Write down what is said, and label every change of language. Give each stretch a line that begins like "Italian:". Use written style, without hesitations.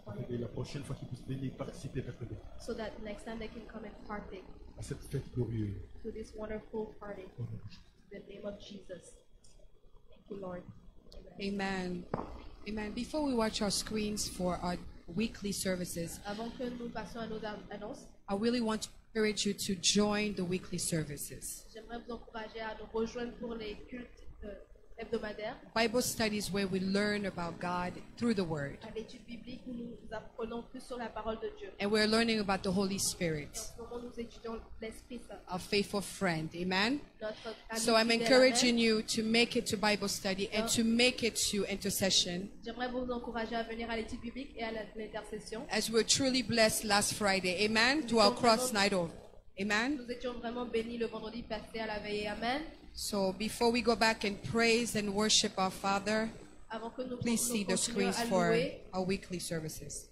French: Et la prochaine fois qu'ils puissent venir participer, Père, c'est bon.
English: So that next time they can come and partake.
French: À cette fête glorieuse.
English: To this wonderful party. In the name of Jesus. Thank you, Lord. Amen. Amen. Before we watch our screens for our weekly services,
French: avant que nous passions à nos annonces,
English: I really want to encourage you to join the weekly services.
French: J'aimerais vous encourager à nous rejoindre pour les cultes hebdomadaires.
English: Bible studies where we learn about God through the Word.
French: À l'étude biblique où nous apprenons plus sur la parole de Dieu.
English: And we're learning about the Holy Spirit.
French: Et en ce moment, nous étudions l'Esprit Saint.
English: Our faithful friend. Amen.
French: Notre ami.
English: So I'm encouraging you to make it to Bible study and to make it to intercession.
French: J'aimerais vous encourager à venir à l'étude biblique et à l'intercession.
English: As we were truly blessed last Friday. Amen.
French: Nous
English: to our cross night over. Amen.
French: Nous étions vraiment bénis le vendredi passé à la veille. Amen.
English: So before we go back and praise and worship our Father,
French: avant que nous
English: please see the screens for our weekly services.